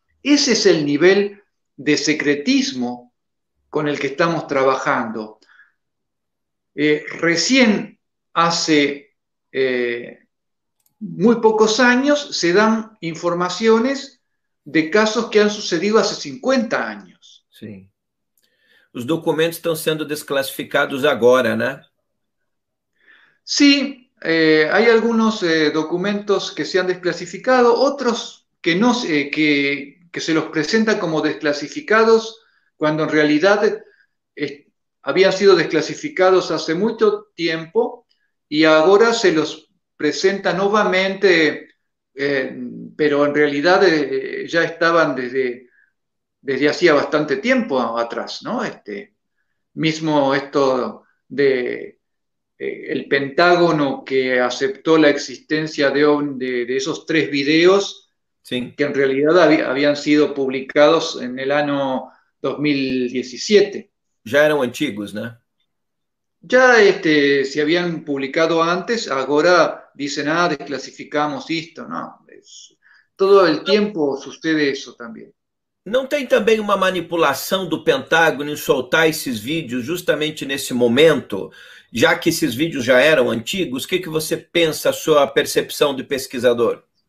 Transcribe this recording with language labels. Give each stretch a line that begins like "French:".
Spanish: Ese es el nivel de secretismo con el que estamos trabajando. Recién hace muy pocos años se dan informaciones de casos que han sucedido hace 50 años.
Portuguese: Sim. Os documentos estão sendo desclassificados agora, né?
Spanish: Sí, hay algunos documentos que se han desclasificado, otros que no que se los presenta como desclasificados cuando en realidad habían sido desclasificados hace mucho tiempo y ahora se los presenta nuevamente, pero en realidad ya estaban desde hacía bastante tiempo atrás, ¿no? Mismo esto de el Pentágono que aceptó la existencia de esos tres videos Sí. que en realidad habían sido publicados en el año 2017. Ya eran antiguos, ¿no? Ya se habían publicado antes, ahora dicen, ah, desclasificamos esto, ¿no? Todo el tiempo sucede eso también.
Portuguese: Não tem também uma manipulação do Pentágono em soltar esses vídeos justamente nesse momento, já que esses vídeos já eram antigos? O que que você pensa, a sua percepção de pesquisador?